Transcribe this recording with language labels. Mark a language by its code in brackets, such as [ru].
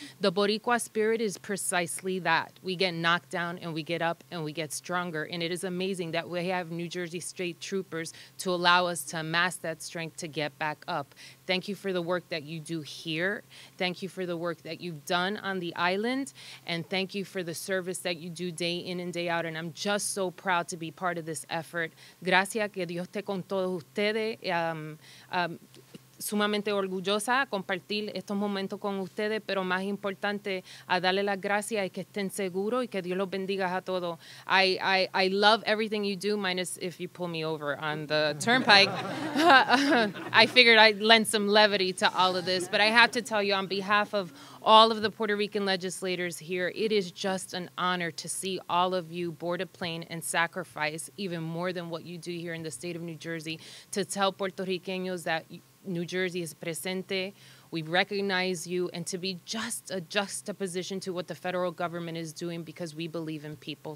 [en] The Boricua spirit is precisely that. We get knocked down and we get up and we get stronger, and it is amazing that we have New Jersey State Troopers to allow us to amass that strength to get back up. Thank you for the work that you do here. Thank you for the work that you've done on the island, and thank you for the service that you do day in and day out, and I'm just so proud to be part of this effort. [es] Gracias, que Dios te con todos ustedes. Sumamente orgullosa a compartir estos momentos con ustedes, pero más importante a darle las gracias y que estén seguros y que Dios los bendiga a todos. [en] I love everything you do, minus if you pull me over on the turnpike. I figured I'd lend some levity to all of this, but I have to tell you, on behalf of all of the Puerto Rican legislators here, it is just an honor to see all of you board a plane and sacrifice even more than what you do here in the state of New Jersey to tell Puerto Ricanos that New Jersey is presente, we recognize you, and to be just a juxtaposition to what the federal government is doing, because we believe in people.